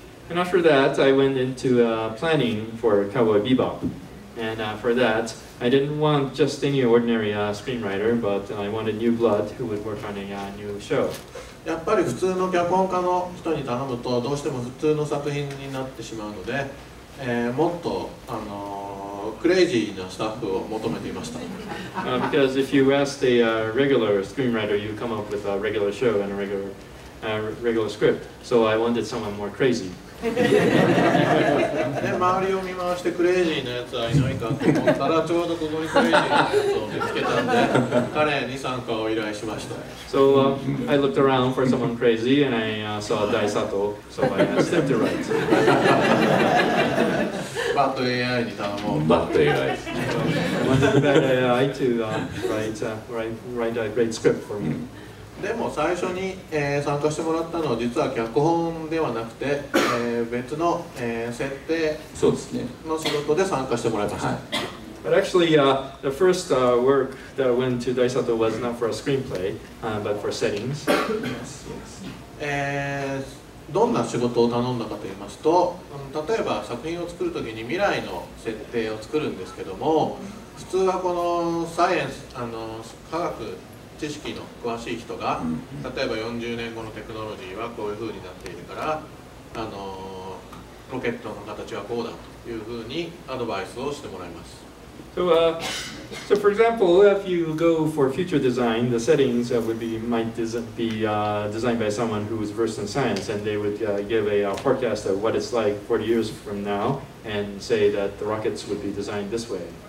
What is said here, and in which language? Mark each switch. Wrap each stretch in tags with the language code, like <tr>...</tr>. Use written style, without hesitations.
<en>And after that I went into planning for Cowboy Bebop. And for that I didn't want just any ordinary screenwriter, but I wanted new blood who would work on a new show.</en> <ja>やっぱり普通の脚本家の人に頼むとどうしても普通の作品になってしまうので、もっとクレイジーなスタッフを求めていました。</ja> <en>Because if you asked a regular screenwriter, you come up with a regular show and a regular, regular script. So I wanted someone more crazy.</en> <ja>で、周りを見回してクレイジーなやつはいないかと思ったら、ちょうどここにクレイジーなやつを見つけたんで、彼に参加を依頼しました。</ja> <en>So I looked around for someone crazy and I saw Dai Sato, so I asked him to write.</en> <ja>Bad AI に頼もう。 Bad AI。</ja> <en>I wanted Bad AI to write a great script for me.</en> <ja>でも最初に、参加してもらったのは実は脚本ではなくて、別の、設定の仕事で参加してもらいました。ね、</ja> <en>But actually, the first work that went to Dai Sato was not for a screenplay, but for settings. Yes.</en> <ja>どんな仕事を頼んだかと言いますと、例えば作品を作るときに未来の設定を作るんですけども、普通はこのサイエンス、科学知識の詳しい人が、例えば40年後のテクノロジーはこういうふうになっているから、ロケットの形はこうだというふうにアドバイスをしてもらいます。</ja> <en>So for example, if you go for future design, the settings designed by someone who is versed in science, and they would give a forecast of what it's like 40 years from now, and say that the rockets would be designed this way.</en>